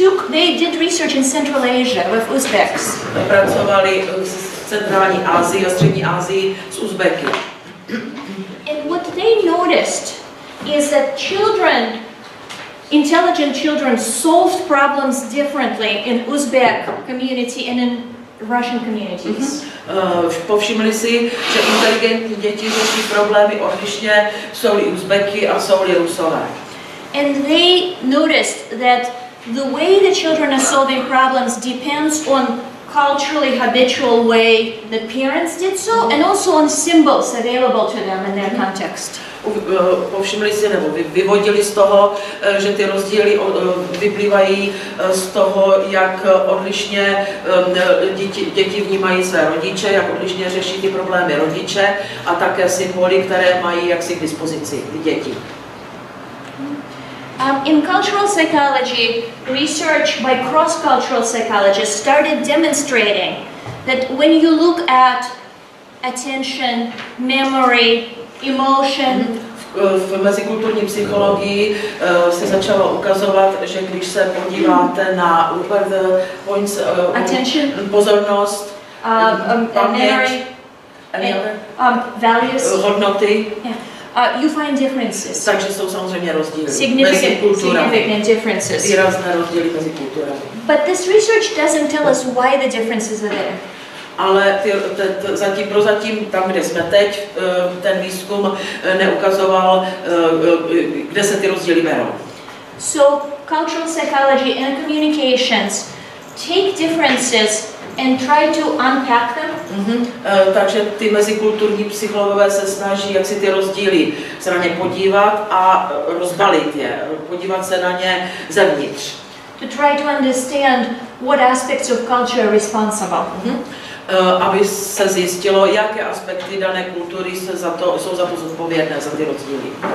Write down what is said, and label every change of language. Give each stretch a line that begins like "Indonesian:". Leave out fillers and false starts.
English: They did research in Central Asia with Uzbeks.
Czech: Pracovali v centrální Asii a střední Asii s Uzbeky.
English: And what they noticed is that children, intelligent children, solved problems differently in Uzbek community and in Russian communities.
Czech: Povšimli si, že inteligentní děti řeší problémy odlišně, jsou-li Uzbeky a jsou-li Rusové.
English: And they noticed that the way the children are solving problems depends on culturally habitual way the parents did so, and also on symbols available to them in their context.
Czech: Povšimli si, nebo vyvodili z toho, že ty rozdíly vyplývají z toho, jak odlišně děti vnímají své rodiče, jak odlišně řeší ty problémy rodiče, a také symboly, které mají jaksi k dispozici děti.
English: In cultural psychology, research by cross-cultural psychologists started demonstrating that when you look at attention, memory, emotion.
Czech: V mezikulturní psychologii se začalo ukazovat, že když se podíváte na
English: the points, attention,
Czech: pozornost, paměť,
English: values,
Czech: hodnoty,
English: yeah. You find differences.
Czech: Takže jsou samozřejmě rozdíly.
English: Significant differences.
Czech: Výrazné rozdíly mezi kulturami.
English: But this research doesn't tell us why the differences are there.
Czech: ale prozatím tam, kde jsme teď, ten výzkum neukazoval, kde se ty rozdíly berou.
English: So cultural psychology and communications take differences and try to unpack them.
Czech: Takže ty mezikulturní psychologové se snaží jak si ty rozdíly se na ně podívat a rozbalit je, podívat se na ně zevnitř.
English: To try to understand what aspects of culture are responsible.
Czech: Aby se zjistilo, jaké aspekty dané kultury se za to, jsou za to zodpovědné, za ty rozdíly.